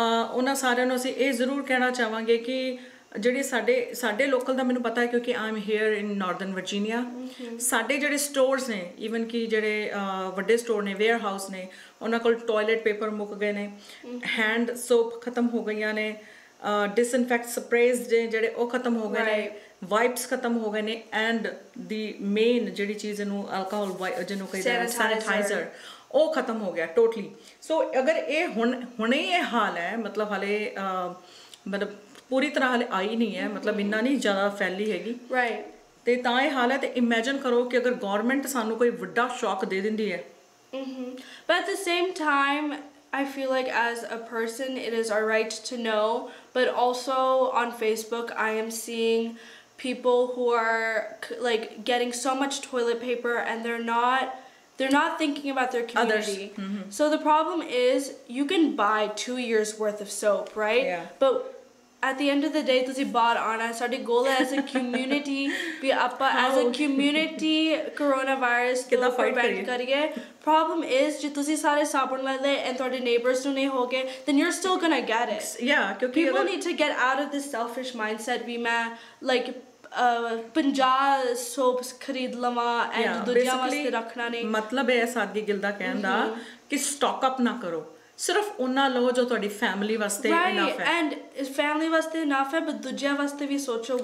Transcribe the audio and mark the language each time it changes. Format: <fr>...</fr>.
<pa>ਉਹਨਾਂ ਸਾਰਿਆਂ ਨੂੰ ਅਸੀਂ ਇਹ ਜ਼ਰੂਰ ਕਹਿਣਾ ਚਾਹਾਂਗੇ ਕਿ ਜਿਹੜੇ ਸਾਡੇ ਲੋਕਲ ਦਾ ਮੈਨੂੰ ਪਤਾ ਹੈ ਕਿਉਂਕਿ</pa> <en>I am here in northern Virginia,</en> <pa>ਸਾਡੇ ਜਿਹੜੇ ਸਟੋਰਸ ਨੇ, ਈਵਨ ਕਿ ਜਿਹੜੇ ਵੱਡੇ ਸਟੋਰ ਨੇ, ਵੇਅਰ ਹਾਊਸ ਨੇ, ਉਹਨਾਂ ਕੋਲ ਟੋਇਲਟ ਪੇਪਰ ਮੁੱਕ ਗਏ ਨੇ, ਹੈਂਡ ਸੋਪ ਖਤਮ ਹੋ ਗਈਆਂ ਨੇ, ਡਿਸਇਨਫੈਕਟ ਸਪਰੇਜ਼ ਨੇ ਜਿਹੜੇ ਉਹ ਖਤਮ ਹੋ ਗਏ ਨੇ, ਵਾਈਪਸ ਖਤਮ ਹੋ ਗਏ ਨੇ, ਐਂਡ ਦੀ ਮੇਨ ਜਿਹੜੀ ਚੀਜ਼ ਨੂੰ ਅਲਕੋਹਲ ਜਿਹਨੂੰ ਕਹਿੰਦੇ ਆ ਸੈਨੇਟਾਈਜ਼ਰ, ਉਹ ਖਤਮ ਹੋ ਗਿਆ ਟੋਟਲੀ. ਸੋ ਅਗਰ ਇਹ ਹੁਣੇ ਇਹ ਹਾਲ ਹੈ, ਮਤਲਬ ਹਾਲੇ ਮਤਲਬ ਪੂਰੀ ਤਰ੍ਹਾਂ ਹਾਲੇ ਆਈ ਨਹੀਂ ਹੈ, ਮਤਲਬ ਇੰਨਾ ਨਹੀਂ ਜ਼ਿਆਦਾ ਫੈਲੀ ਹੈਗੀ, ਤੇ ਤਾਂ ਇਹ ਹਾਲ ਹੈ. ਤੇ ਇਮੈਜਿਨ ਕਰੋ ਕਿ ਅਗਰ ਗੌਰਮੈਂਟ ਸਾਨੂੰ ਕੋਈ ਵੱਡਾ ਸ਼ੌਕ ਦੇ ਦਿੰਦੀ ਹੈ.</pa> <en>I feel like as a person, it is our right to know. But also on Facebook, I am seeing people who are like getting so much toilet paper and they're not thinking about their community. Others. Mm-hmm. So the problem is you can buy 2 years worth of soap, right? Yeah. But at the end of the day, tusi bought on us. Our goal as a community,</en> <pa>be appa</pa> <en>as a community coronavirus to prevent</en> <pa>kariye.</pa> <en>Problem is,</en> <pa>je tusi sare sabun le le and tode neighbors nu nahi hoge,</pa> <en>then you're still gonna get it. Yeah, kyunki people need to get out of this selfish mindset.</en> <pa>We ma like ਪੰਜਾਹ soaps ਖਰੀਦ ਲਵਾਂ and ਦੁਨੀਆਂ ਵਾਸਤੇ ਰੱਖਣਾ ਨਹੀਂ. ਮਤਲਬ ਇਹ ਸਾਦਗੀ ਗਿੱਲ ਦਾ ਕਹਿਣ ਦਾ ਕਿ ਸਟਾਕ ਅਪ ਨਾ ਕਰੋ, ਸਿਰਫ ਉਹਨਾਂ ਲਓ ਜੋ ਤੁਹਾਡੀ ਫੈਮਿਲੀ ਵਾਸਤੇ ਇਨਫ ਹੈ. ਰਾਈਟ, ਐਂਡ ਇਸ ਫੈਮਿਲੀ ਵਾਸਤੇ ਇਨਫ ਹੈ, ਬਟ ਦੂਜਿਆਂ ਵਾਸਤੇ ਵੀ ਸੋਚੋ.</pa>